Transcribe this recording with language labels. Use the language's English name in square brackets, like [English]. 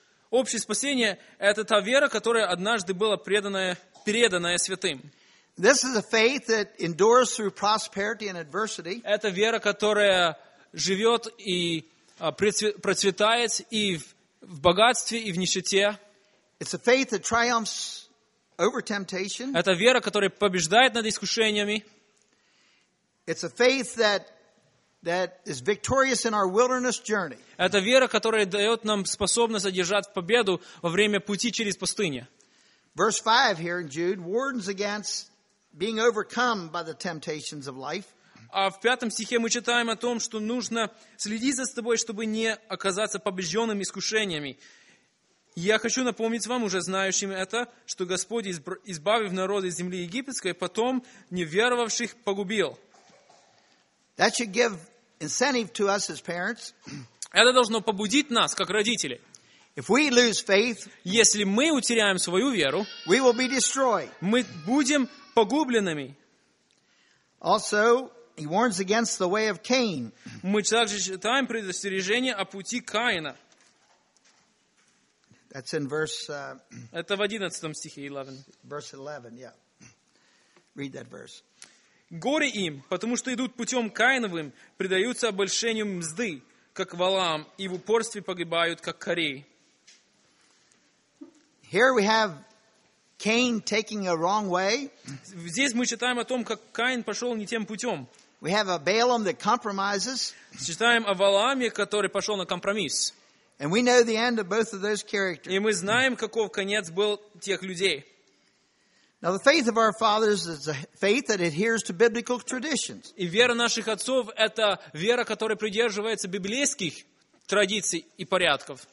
[Russian] Общее спасение это та вера, которая однажды была преданная святым. [English] This is a faith that endures through prosperity and adversity. [Russian] Это вера, которая живет и процветает и в богатстве, и в нищете. [English] It's a faith that triumphs over temptation. [Russian] Это вера, которая побеждает над искушениями. [English] It's a faith that is victorious in our wilderness journey. [Russian] Это вера, которая дает нам способность одержать победу во время пути через пустыню. [English] Verse 5 here in Jude warns against being overcome by the temptations of life. [Russian] А в пятом стихе мы читаем о том, что нужно следить за собой, чтобы не оказаться побежденным искушениями. Я хочу напомнить вам, уже знающим это, что Господь, избавив народ из земли египетской, потом неверовавших погубил. [English] That should give incentive to us as parents. [Russian] Это должно побудить нас, как родители. [English] If we lose faith, [Russian] если мы утеряем свою веру, [English] we will be destroyed. [Russian] Мы будем погубленными. [English] Also, He warns against the way of Cain. [Russian] Мы также читаем предостережение о пути Каина. [English] That's in verse. [Russian] Это в 11 стихе, 11. [English] Verse 11, yeah. Read that verse. [Russian] Горе им, потому что идут путем Каиновым, предаются обольщению мзды, как Валаам, и в упорстве погибают, как Корей. [English] Here we have Cain taking a wrong way. [Russian] Здесь мы читаем о том, как Каин пошел не тем путем. [English] We have a Balaam that compromises. [Russian] Читаем о Валааме, который пошел на компромисс. [English] And we know the end of both of those characters. [Russian] И мы знаем, каков конец был тех людей. [English] Now the faith of our fathers is a faith that adheres to biblical traditions. [Russian] И вера наших отцов это вера, которая придерживается библейских традиций и порядков.